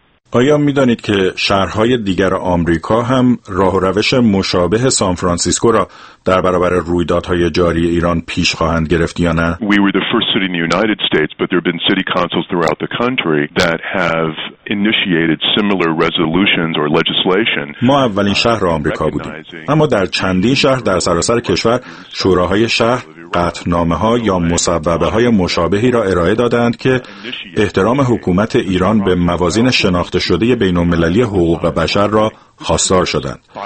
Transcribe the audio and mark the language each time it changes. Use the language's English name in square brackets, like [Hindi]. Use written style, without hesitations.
[Persian] آیا می دانید که شهرهای دیگر آمریکا هم راه و روش مشابه سان فرانسیسکو را در برابر رویدادهای جاری ایران پیش خواهند گرفت یا نه؟ [English] We were the first city in the United States, but there have been city councils throughout the country that have initiated similar resolutions or legislation. [Persian] ما اولین شهر آمریکا بودیم، اما در چندین شهر در سراسر کشور شوراهای شهر قطعنامه‌ها یا مصوبه‌های مشابهی را ارائه دادند که احترام حکومت ایران به موازین شناخته شده بین‌المللی حقوق بشر را خواستار شدند.